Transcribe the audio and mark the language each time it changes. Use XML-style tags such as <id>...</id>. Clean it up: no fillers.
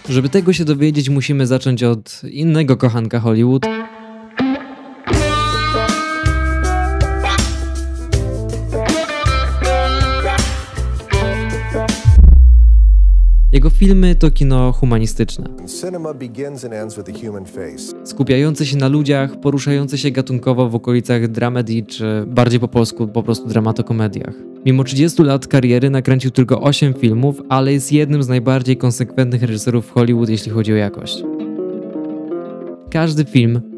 <pl>Żeby tego się dowiedzieć, musimy zacząć od innego kochanka Hollywood. Jego filmy to kino humanistyczne.</pl> <en>Cinema begins and ends with a human face.</en> <pl>Skupiające się na ludziach, poruszające się gatunkowo w okolicach dramedy, czy bardziej po polsku po prostu dramatokomediach. Mimo 30 lat kariery nakręcił tylko 8 filmów, ale jest jednym z najbardziej konsekwentnych reżyserów w Hollywood, jeśli chodzi o jakość. Każdy film,</pl>